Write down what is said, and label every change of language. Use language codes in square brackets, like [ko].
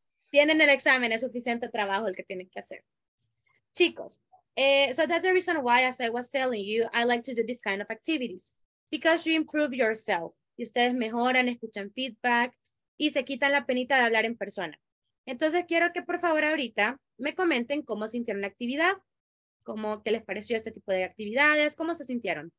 [es] Tienen el examen, es suficiente trabajo el que tienen que hacer. [en] Chicos, so that's the reason why, as I was telling you, I like to do this kind of activities. Because you improve yourself. [es] Y ustedes mejoran, escuchan feedback y se quitan la penita de hablar en persona. Entonces quiero que por favor ahorita me comenten cómo sintieron la actividad, cómo que les pareció este tipo de actividades, cómo se sintieron.